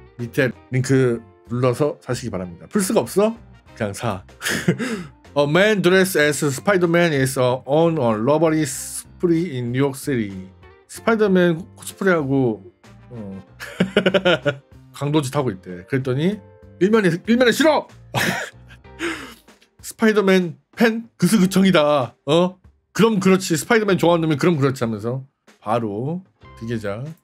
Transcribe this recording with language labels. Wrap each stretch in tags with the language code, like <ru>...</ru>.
<ko>밑에 링크 눌러서 사시기 바랍니다. 풀 수가 없어? 그냥 사.</ko> <en>A man dressed as Spider-Man is on a robbery spree in New York City.</en> <ko>스파이더맨 코스프레하고 강도짓 하고 있대. 그랬더니 일면에 싫어! 스파이더맨 팬 그스그청이다. 어? 그럼 그렇지. 스파이더맨 좋아하는 놈이 그럼 그렇지 하면서 바로 드게자.</ko>